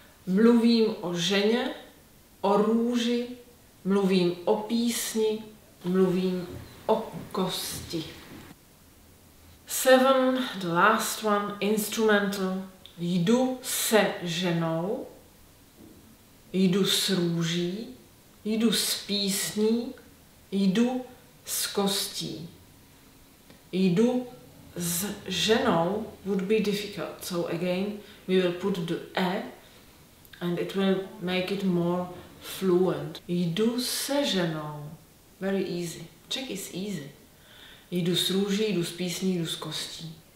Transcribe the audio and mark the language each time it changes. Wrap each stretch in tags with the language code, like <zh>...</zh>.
<cs>Mluvím o ženě, o růži, mluvím o písni, mluvím o kosti.</cs> <en>Seven, the last one, instrumental.</en> <cs>Jdu se ženou, jdu s růží, jdu s písní, jdu s kostí. Jdu s ženou</cs> <en>would be difficult. So again, we will put the E and it will make it more fluent.</en> <cs>Jdu se ženou.</cs> <en>Very easy. Czech is easy.</en> <cs>Jdu s růží, jdu s písní, jdu s kostí.</cs>